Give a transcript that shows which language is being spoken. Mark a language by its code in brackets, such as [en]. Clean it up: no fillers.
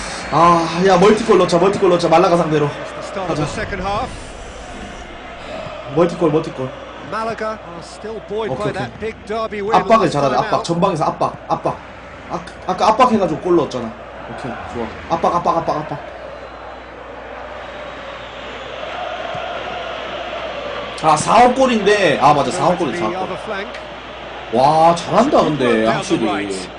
[ko] 아, 야, 멀티골 넣자, 멀티골 넣자. 말라가 상대로. 가자. 멀티골, 멀티골. [en] Malaga are still buoyed by that big derby win. [ko] 압박을 잘하네. 압박 전방에서 압박, 압박. 아까 압박해가지고 골 넣었잖아. 오케이, 좋아. 압박, 압박, 압박, 압박. 아, 4호 골인데, 아 맞아, 4호 골이 4호 골. 와, 잘한다 근데 확실히.